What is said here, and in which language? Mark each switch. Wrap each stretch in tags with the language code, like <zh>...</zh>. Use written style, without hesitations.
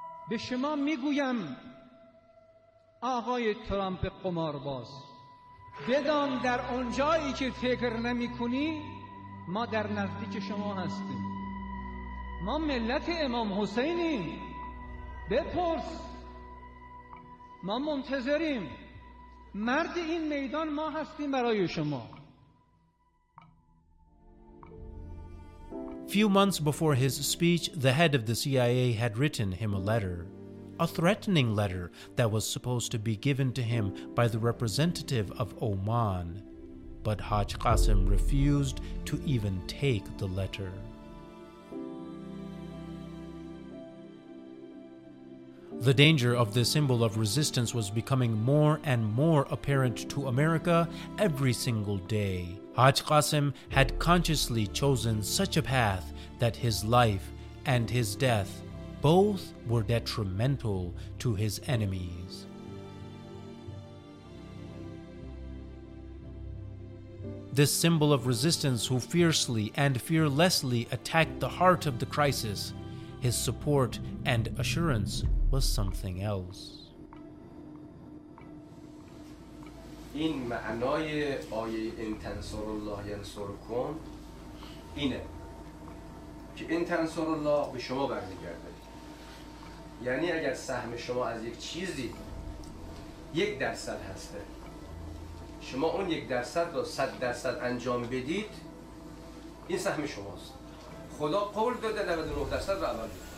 <fa>به شما میگویم آقای ترامپ قمارباز بدان در اونجایی که فکر نمیکنی ما در نزدیک شما هستیم ما ملت امام حسینیم بپرس ما منتظریم مرد این میدان ما هستیم برای شما.</fa> <en>Few months before his speech, the head of the CIA had written him a letter, a threatening letter that was supposed to be given to him by the representative of Oman, but Haj Qasim refused to even take the letter. The danger of this symbol of resistance was becoming more and more apparent to America every single day. Haj Qasim had consciously chosen such a path that his life and his death both were detrimental to his enemies. This symbol of resistance who fiercely and fearlessly attacked the heart of the crisis, his support and assurance was something else.</en> <fa>این معنای آیه این</fa> <ar>تنصر الله ینصر کن</ar> <fa>اینه که این تنصر الله به شما برمیگرده یعنی اگر سهم شما از یک چیزی یک درصد هسته شما اون یک درصد رو صد درصد انجام بدید این سهم شماست خدا قول داده 99 درصد رو اول</fa>